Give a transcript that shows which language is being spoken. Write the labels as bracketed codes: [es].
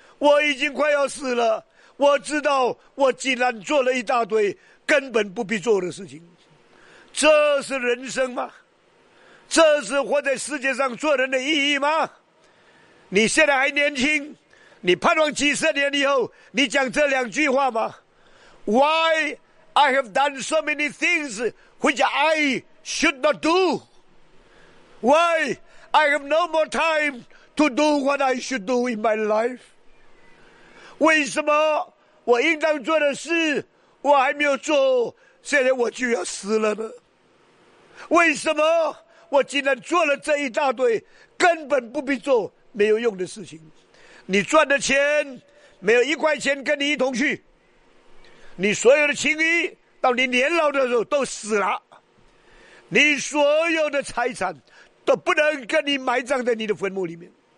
[zh] 我已经快要死了，我知道我竟然做了一大堆根本不必做的事情，这是人生吗？这是活在世界上做人的意义吗？你现在还年轻，你盼望几十年以后你讲这两句话吗？ [en] Why I have done so many things which I should not do? Why I have no more time to do what I should do in my life? [zh] 为什么我应当做的事我还没有做，现在我就要死了呢？为什么我竟然做了这一大堆根本不必做没有用的事情？你赚的钱没有一块钱跟你一同去，你所有的情谊到你年老的时候都死了，你所有的财产都不能跟你埋葬在你的坟墓里面。